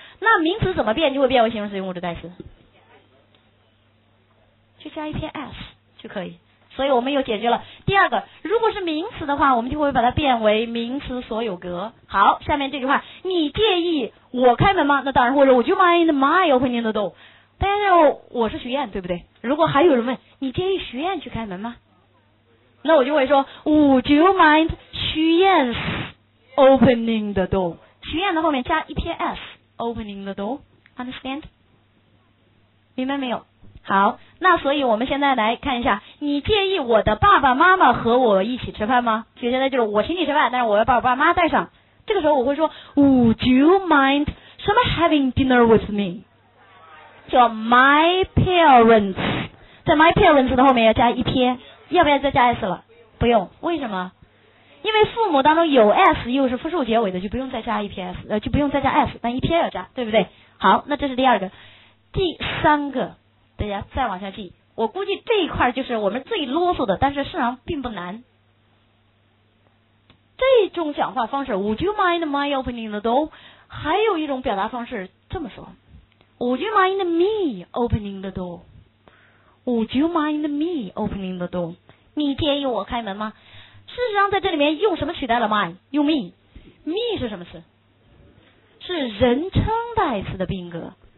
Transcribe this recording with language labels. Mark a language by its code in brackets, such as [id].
[zh] 那名词怎么变就会变为形容词性物主代词？就加一篇 s 就可以。所以我们又解决了第二个，如果是名词的话，我们就会把它变为名词所有格。好，下面这句话，你介意我开门吗？ [en] 那当然会说 Would you mind my opening the door？ [zh] 大家知道我是徐燕，对不对？如果还有人问你介意徐燕去开门吗，那我就会说 Would you mind 徐燕 opening the door，许愿的后面加一撇 s, opening the door, understand? 明白没有？好，那所以我们现在来看一下，你介意我的爸爸妈妈和我一起吃饭吗？所以现在就是我请你吃饭，但是我要把我爸妈带上。 [en] 这个时候我会说 Would you mind 什么 having dinner with me? [zh] 叫 my parents, 在 my parents 的后面要加一撇，要不要再加 s 了？不用，为什么？因为父母当中有 s 又是复数结尾的，就不用再加一撇 s, 就不用再加 s, 但一撇要加，对不对？好，那这是第二个。第三个，大家再往下记，我估计这一块就是我们最啰嗦的，但是事实上并不难。 [en] 这种讲话方式 Would you mind my opening the door? 还有一种表达方式这么说 Would you mind me opening the door? Would you mind me opening the door? [zh] 你介意我开门吗？事实上在这里面用什么取代了 my? 用 me. Me 是什么词？是人称代词的宾格。